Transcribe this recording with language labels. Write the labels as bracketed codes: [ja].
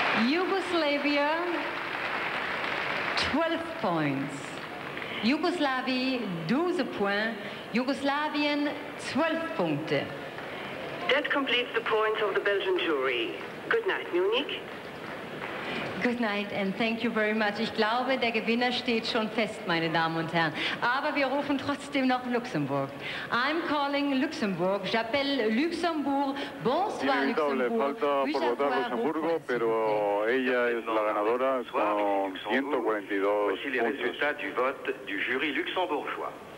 [en] Yugoslavia, 12 points. Yugoslavia, 12 points. [de] Yugoslavien, 12 Punkte. [en] That completes the points of the Belgian jury. Good night, Munich. Good night and thank you very much. [de] Ich glaube, der Gewinner steht schon fest, meine Damen und Herren. Aber wir rufen trotzdem noch Luxemburg. [en] I'm calling Luxembourg. [fr] J'appelle Luxembourg. Bonsoir, Luxembourg. [es] Le falta por votar Luxemburgo, pero ella es la ganadora con 142 puntos. [fr] Voici les résultats du vote du jury luxembourgeois.